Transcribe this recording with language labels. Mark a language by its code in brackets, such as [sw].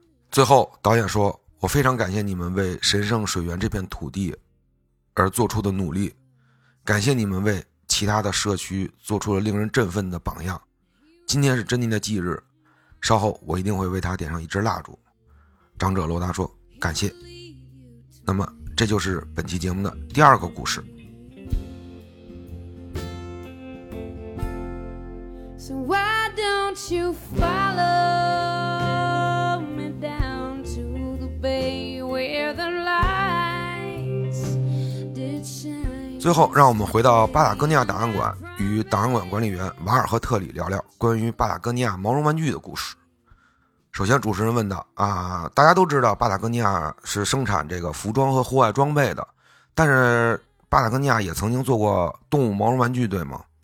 [zh] 最后导演说，我非常感谢你们为神圣水源这片土地而做出的努力，感谢你们为其他的社区做出了令人振奋的榜样。今天是珍妮的忌日，稍后我一定会为她点上一支蜡烛。长者罗达说感谢。那么这就是本期节目的第二个故事。 [en] So why don't you follow me down to the bay where the lights did shine。 [zh] 最后让我们回到巴塔哥尼亚档案馆，与档案馆管理员瓦尔和特里聊聊关于巴塔哥尼亚毛绒玩具的故事。首先主持人问道，啊，大家都知道巴塔哥尼亚是生产这个服装和户外装备的，但是巴塔哥尼亚也曾经做过动物毛绒玩具，对吗？